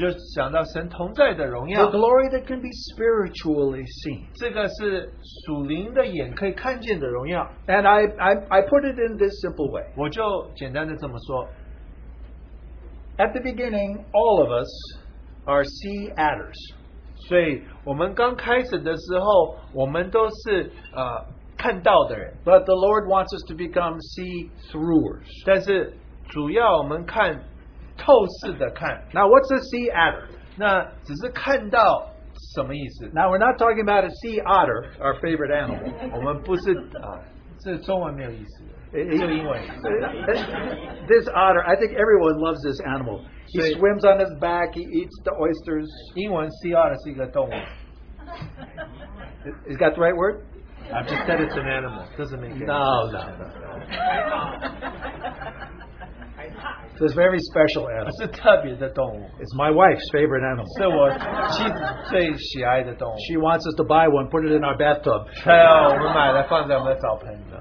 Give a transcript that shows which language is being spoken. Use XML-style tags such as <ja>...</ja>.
<en>The glory that can be spiritually seen. And I put it in this simple way. At the beginning, all of us are sea adders.</en> <zh>所以我们刚开始的时候，我们都是</zh> <en>But the Lord wants us to become sea throughers.</en> <zh>但是主要我们看透视的看.</zh> <en>Now what's a sea adder?</en> <zh>那只是看到什么意思?</zh> <en>Now we're not talking about a sea otter, our favorite animal.</en> <zh>我们不是 这中文没有意思，只有英文。</zh> <en>This otter, I think everyone loves this animal. He swims on his back, he eats the oysters.</en> <zh>英文 sea otter是一个动物。</zh> <en>Is that the right word? I've just said it's an animal. Doesn't make any sense. No. So it's a very special animal.</en> <zh>是特别的动物.</zh> <en>It's my wife's favorite animal.</en> <zh>是我妻子最喜爱的动物.</zh> <en>She wants us to buy one, put it in our bathtub.</en> <zh>对啊,我们买了,放在我们的澡盆.</zh>